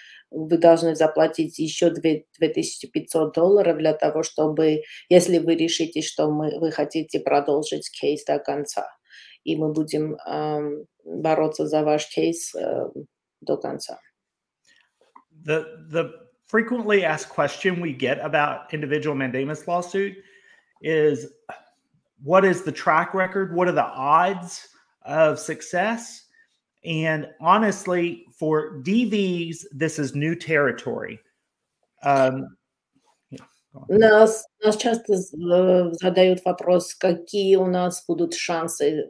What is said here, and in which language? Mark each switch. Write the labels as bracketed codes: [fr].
[ru] вы должны заплатить еще $2,500 для того, чтобы, если вы решите, что вы хотите продолжить кейс до конца, и мы будем бороться за ваш кейс до конца. [en] The frequently asked question we get about individual mandamus lawsuit is, what is the track record? What are the odds of success? And honestly, for DVs, this is new territory. [ru] Нас часто задают вопрос, какие у нас будут шансы.